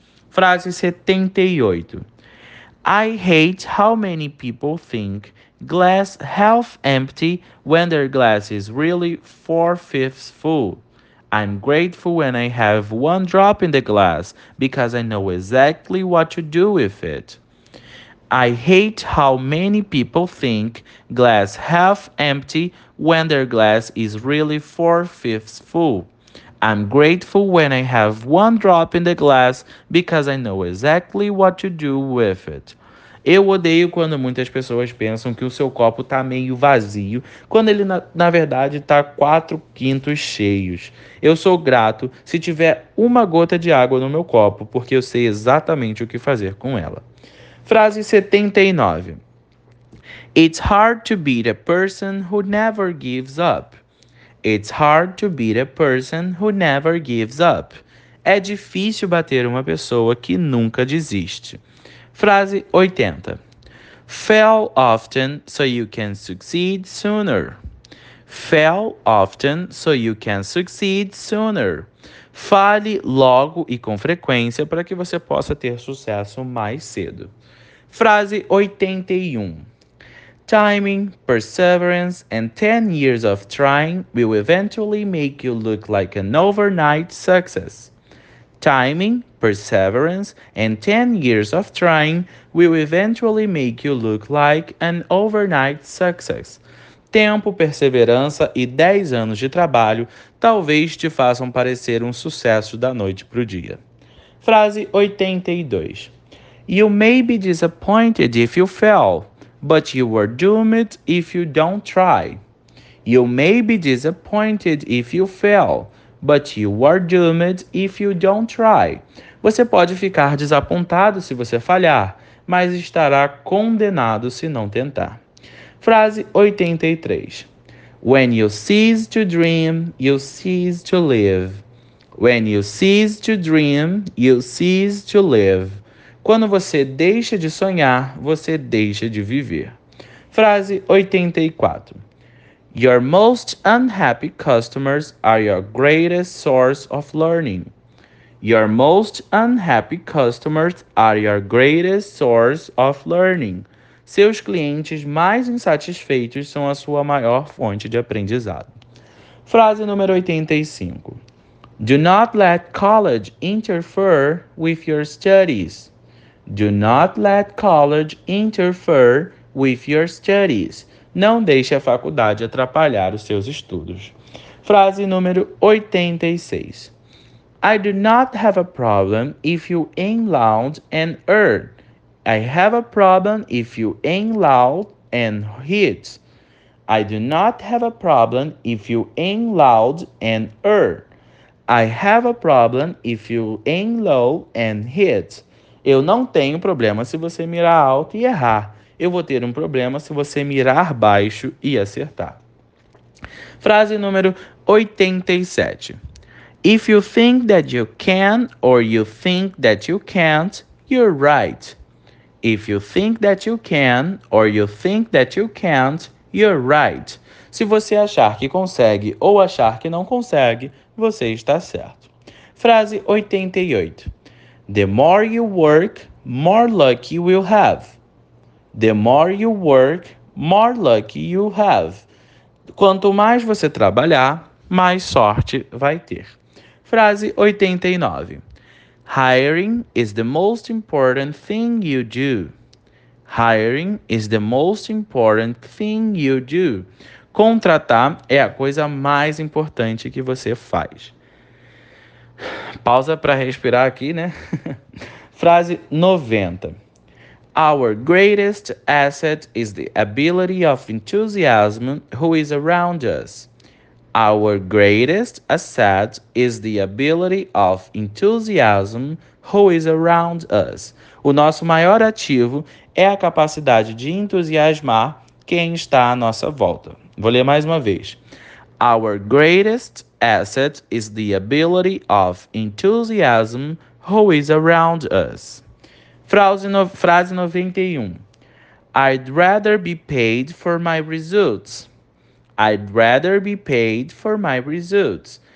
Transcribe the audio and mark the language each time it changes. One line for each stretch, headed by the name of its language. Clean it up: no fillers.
Portuguese: Frase 78.
English: I hate how many people think glass half empty when their glass is really 4/5 full. I'm grateful when I have one drop in the glass because I know exactly what to do with it. I hate how many people think glass half empty when their glass is really 4/5 full. I'm grateful when I have one drop in the glass because I know exactly what to do with it.
Portuguese: Eu odeio quando muitas pessoas pensam que o seu copo está meio vazio, quando ele, na verdade, está 4/5 cheios. Eu sou grato se tiver uma gota de água no meu copo, porque eu sei exatamente o que fazer com ela. Frase 79.
English: It's hard to beat a person who never gives up. It's hard to beat a person who never gives up.
Portuguese: É difícil bater uma pessoa que nunca desiste. Frase 80.
English: Fail often so you can succeed sooner. Fail often so you can succeed sooner.
Portuguese: Fale logo e com frequência para que você possa ter sucesso mais cedo. Frase 81.
English: Timing, perseverance, and 10 years of trying will eventually make you look like an overnight success. Timing, perseverance, and 10 years of trying will eventually make you look like an overnight success.
Portuguese: Tempo, perseverança e 10 anos de trabalho talvez te façam parecer um sucesso da noite para o dia. Frase 82.
English: You may be disappointed if you fail, but you are doomed if you don't try. You may be disappointed if you fail, but you are doomed if you don't try.
Portuguese: Você pode ficar desapontado se você falhar, mas estará condenado se não tentar. Frase 83.
English: When you cease to dream, you cease to live. When you cease to dream, you cease to live.
Portuguese: Quando você deixa de sonhar, você deixa de viver. Frase 84.
English: Your most unhappy customers are your greatest source of learning. Your most unhappy customers are your greatest source of learning.
Portuguese: Seus clientes mais insatisfeitos são a sua maior fonte de aprendizado. Frase número 85.
English: Do not let college interfere with your studies. Do not let college interfere with your studies.
Portuguese: Não deixe a faculdade atrapalhar os seus estudos. Frase número 86.
English: I do not have a problem if you aim loud and earn. I have a problem if you aim loud and hit. I do not have a problem if you aim loud and earn. I have a problem if you aim low and hit.
Portuguese: Eu não tenho problema se você mirar alto e errar. Eu vou ter um problema se você mirar baixo e acertar. Frase número 87.
English: If you think that you can or you think that you can't, you're right. If you think that you can or you think that you can't, you're right.
Portuguese: Se você achar que consegue ou achar que não consegue, você está certo. Frase 88.
English: The more you work, more luck you will have. The more you work, more luck you have.
Portuguese: Quanto mais você trabalhar, mais sorte vai ter. Frase 89.
English: Hiring is the most important thing you do. Hiring is the most important thing you do.
Portuguese: Contratar é a coisa mais importante que você faz. Pausa para respirar aqui, né? Frase 90.
English: Our greatest asset is the ability of enthusiasm who is around us. Our greatest asset is the ability of enthusiasm who is around us.
Portuguese: O nosso maior ativo é a capacidade de entusiasmar quem está à nossa volta. Vou ler mais uma vez.
English: Our greatest asset is the ability of enthusiasm who is around us.
Portuguese: Frase 91.
English: I'd rather be paid for my results. I'd rather be paid for my results.